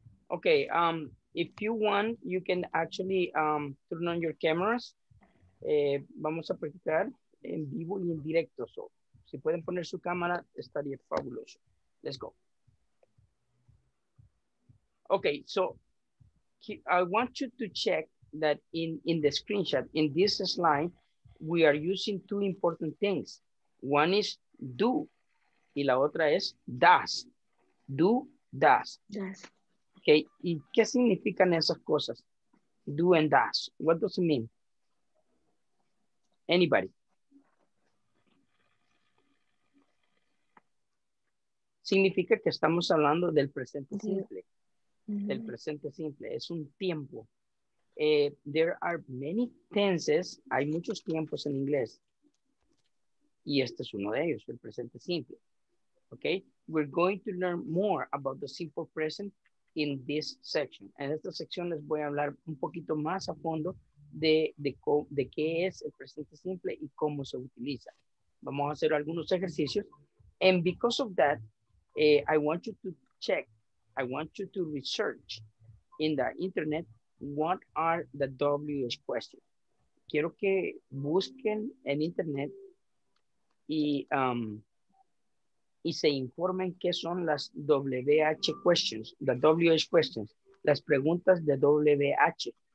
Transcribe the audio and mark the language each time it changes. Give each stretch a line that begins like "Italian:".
English: Okay, if you want, you can actually turn on your cameras.
Spanish: Vamos a practicar en vivo y en directo. So, si pueden poner su cámara, estaría fabuloso.
English: Let's go. Okay, so I want you to check that in the screenshot, in this slide, we are using two important things. One is
Spanish: do, y la otra es does.
English: Do, does. Yes. Okay,
Spanish: ¿y qué significan esas cosas?
English: Do and does. What does it mean? Anybody?
Spanish: Significa que estamos hablando del presente simple. Mm-hmm. Del presente simple. Es un tiempo.
English: There are many tenses.
Spanish: Hay muchos tiempos en inglés. Y este es uno de ellos, el presente simple.
English: Okay, we're going to learn more about the simple present in this section.
Spanish: En esta sección les voy a hablar un poquito más a fondo de qué es el presente simple y cómo se utiliza. Vamos a hacer algunos ejercicios.
English: And because of that, I want you to check, I want you to research in the internet, what are the WH questions?
Spanish: Quiero que busquen en internet y se informen qué son las WH questions, the WH questions, las preguntas de WH.